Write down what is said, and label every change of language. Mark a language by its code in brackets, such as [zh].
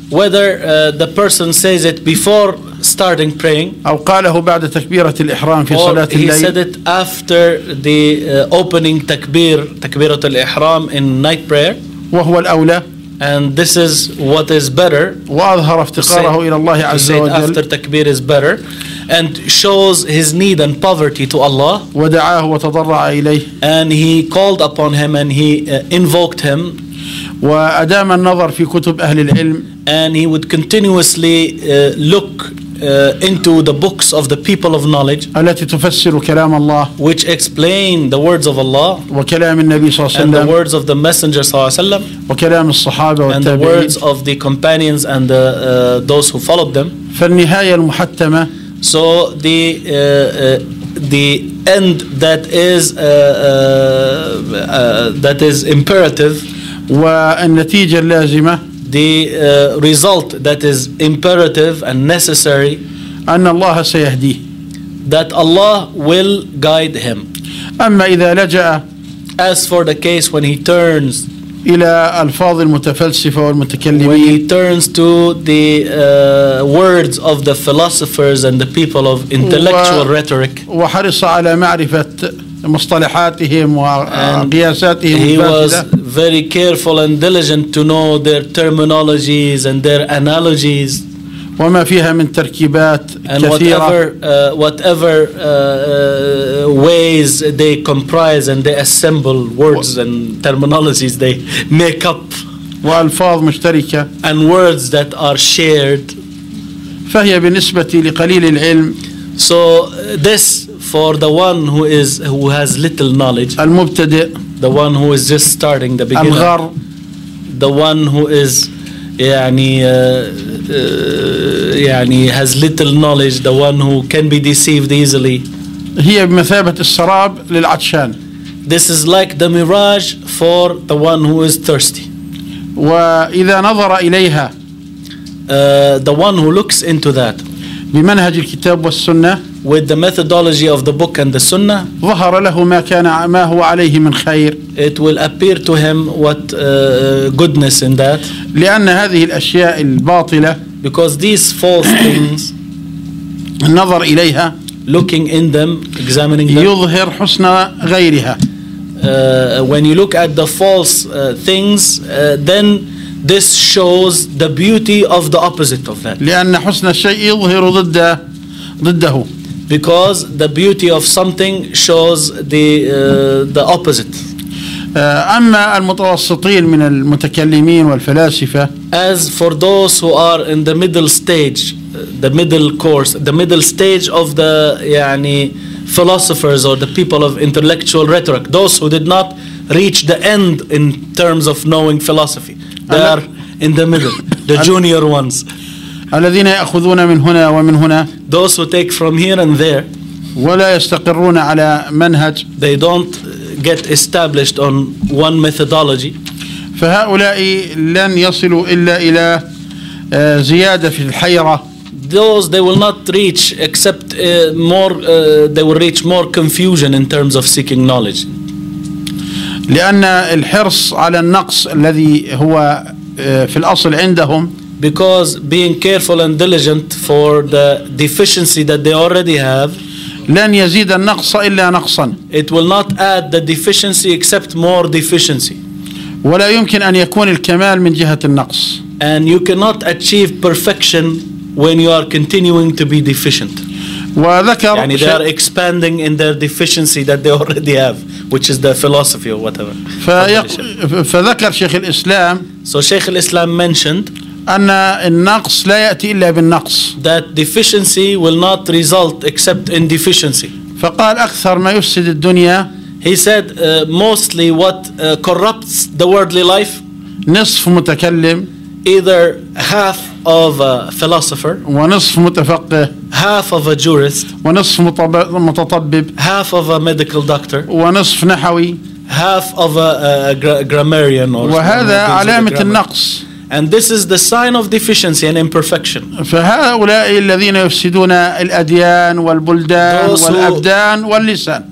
[en] Whether the person says it before starting praying. [ar] أو قاله بعد تكبيرة الإحرام في صلاة الليل. [en] Or he said it after the opening تكبيرة الإحرام in night prayer. [ar] وهو الأولى. [en] And this is what is better. [ar] وأظهر افتقاره إلى الله عز وجل. [en] After تكبير is better, and shows his need and poverty to Allah. [ar] ودعاه وتضرع إليه. [en] And he called upon him and he invoked him. [ar] وأدام النظر في كتب أهل العلم. [en] And he would continuously look into the books of the people of knowledge. [ar] التي تفسر كلام الله. [en] Which explain the words of Allah. [ar] وكلام النبي صلى الله عليه وسلم. [en] And the words of the messenger [ar] صلى الله عليه وسلم. وكلام الصحابة والتابعين. [en] And the words of the companions and the those who followed them. [ar] فالنهاية المحتمة. [en] So the end that is that is imperative. [ar] والنتيجة اللازمة. [en] The result that is imperative and necessary. [ar] أن الله سيهديه. [en] That Allah will guide him. [ar] أما إذا لجأ. [en] As for the case when he turns. [ar] إلى ألفاظ المتفلسفة والمتكلمين. [en] When he turns to the words of the philosophers and the people of intellectual rhetoric. [ar] وحرص على معرفة مصطلحاتهم وقياساتهم. [en] He was very careful and diligent to know their terminologies and their analogies. [ar] وما فيها من تركيبات [en] and [ar] كثيرة. [en] whatever ways they comprise and they assemble words and terminologies they make up. [ar] وألفاظ مشتركة. [en] And words that are shared. [ar] فهي بالنسبة لقليل العلم. [en] So this for the one who has little knowledge. [ar] المبتدئ. [en] The one who is just starting, the beginner. [ar] الغر. [en] The one who is, has little knowledge. The one who can be deceived easily. [ar] هي بمثابة السراب للعطشان. [en] This is like the mirage for the one who is thirsty. [ar] وإذا نظر إليها. [en] The one who looks into that. [ar] بمنهج الكتاب والسنة. [en] With the methodology of the book and the sunnah. [ar] ظهر له ما كان ما هو عليه من خير. [en] It will appear to him what goodness in that. [ar] لأن هذه الأشياء الباطلة. [en] Because these false things. [ar] النظر إليها. [en] Looking in them, examining them. [ar] يظهر حسن غيرها. [en] When you look at the false things, then this shows the beauty of the opposite of that. [ar] لأن حسن الشيء يظهر ضده. [en] Because the beauty of something shows the opposite. [ar] أما المتوسطين من المتكلمين والفلاسفة. [en] As for those who are in the middle stage, the middle course, the middle stage of the philosophers or the people of intellectual rhetoric, those who did not reach the end in terms of knowing philosophy, they are in the middle, the junior ones. [ar] الذين يأخذون من هنا ومن هنا. [en] Those who take from here and there. [ar] ولا يستقرون على منهج. [en] They don't get established on one methodology. [ar] فهؤلاء لن يصلوا إلا إلى زيادة في الحيرة. [en] Those they will not reach except they will reach more confusion in terms of seeking knowledge. [ar] لأن الحرص على النقص الذي هو في الأصل عندهم. [en] Because being careful and diligent for the deficiency that they already have, [ar] لن يزيد النقص إلا نقصا. [en] It will not add the deficiency except more deficiency. [ar] ولا يمكن أن يكون الكمال من جهة النقص. [en] And you cannot achieve perfection when you are continuing to be deficient. [ar] وذكر [en] they are expanding in their deficiency that they already have, which is the philosophy or whatever. [ar] فذكر شيخ الإسلام. [en] So Sheikh al-Islam mentioned. [ar] أن النقص لا يأتي إلا بالنقص. [en] That deficiency will not result except in deficiency. [ar] فقال أكثر ما يفسد الدنيا. [en] He said mostly what corrupts the worldly life. [ar] نصف متكلم. [en] Either half of a philosopher. [ar] ونصف متفقه. [en] Half of a jurist. [ar] ونصف متطبب. [en] Half of a medical doctor. [ar] ونصف نحوي. [en] Half of a grammarian. [ar] وهذا علامة النقص. [en] And this is the sign of deficiency and imperfection. [ar] فهؤلاء الذين يفسدون الأديان والبلدان والأبدان واللسان.